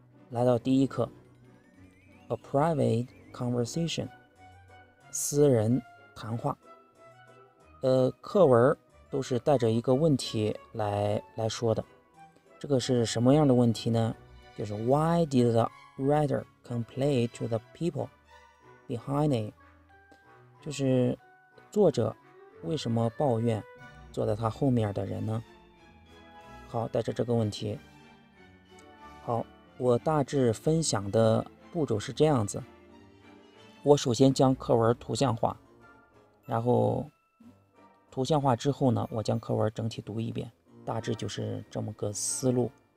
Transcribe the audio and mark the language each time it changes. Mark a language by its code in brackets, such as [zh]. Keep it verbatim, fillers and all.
[zh] 来到第一课 [en] A private conversation [zh] 私人谈话。呃，课文都是带着一个问题来来说的，这个是什么样的问题呢？就是 [en] Why did the writer complain to the people behind it？ [zh] 就是作者为什么抱怨坐在他后面的人呢？好，带着这个问题。好，我大致分享的步骤是这样子，我首先将课文图像化，然后图像化之后呢，我将课文整体读一遍，大致就是这么个思路。